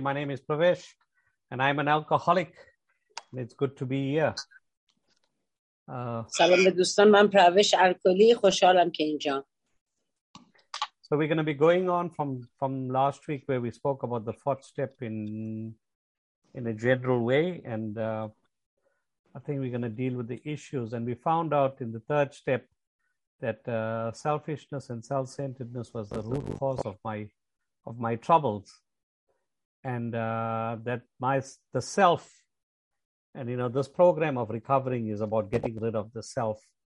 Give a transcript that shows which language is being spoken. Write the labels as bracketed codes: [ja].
[en] My name is Pravesh and I'm an alcoholic and it's good to be here. [fa] سلام به دوستان، من پرویش الکلی، خوشحالم که اینجا. [en] So we're going to be going on from last week where we spoke about the fourth step in a general way, and I think we're going to deal with the issues, and we found out in the third step that selfishness and self-centeredness was the root cause of my troubles, and that the self, and you know, this program of recovering is about getting rid of the self.